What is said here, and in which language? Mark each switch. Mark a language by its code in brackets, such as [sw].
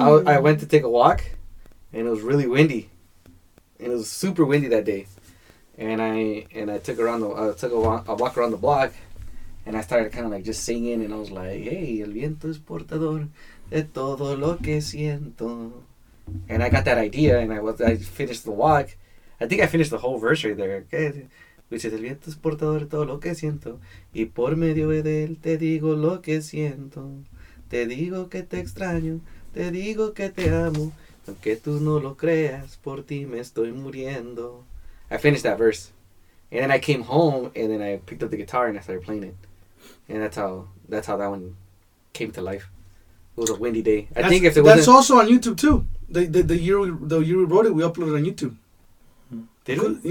[en] I went to take a walk, and it was really windy. And it was super windy that day, and I took a walk around the block, and I started kind of like just singing, and I was like, "Hey, [es] el viento es portador de todo lo que siento." [en] And I got that idea, and I finished the walk. I think I finished the whole verse right there. Okay. Which is [es] el viento es portador de todo lo que siento y por medio de él te digo lo que siento, te digo que te extraño, te digo que te amo, aunque tú no lo creas, por ti me estoy muriendo. [en] I finished that verse and then I came home and then I picked up the guitar and I started playing it, and that's how that one came to life. It was a windy day. That's also on YouTube too. The year we wrote it, we uploaded on YouTube. Did we?